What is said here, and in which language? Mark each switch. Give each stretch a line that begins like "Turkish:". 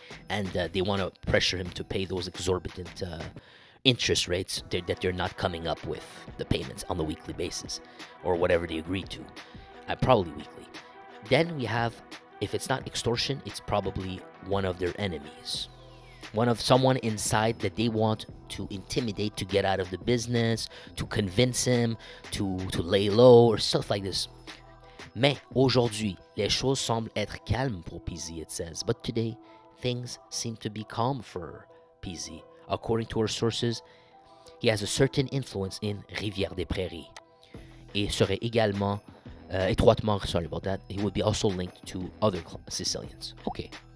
English: And they want to pressure him to pay those exorbitant interest rates that they're not coming up with the payments on the weekly basis. Or whatever they agreed to. Probably weekly. Then we have, if it's not extortion, it's probably one of their enemies. One of someone inside that they want to intimidate to get out of the business, to convince him, to lay low, or stuff like this.
French: Mais aujourd'hui, les choses semblent être calmes pour Pizzi,
English: it says. But today, things seem to be calm for Pizzi. According to our sources, he has a certain influence in Rivière des Prairies.
French: Et serait également, étroitement,
English: sorry about that, he would be also linked to other Sicilians. Okay.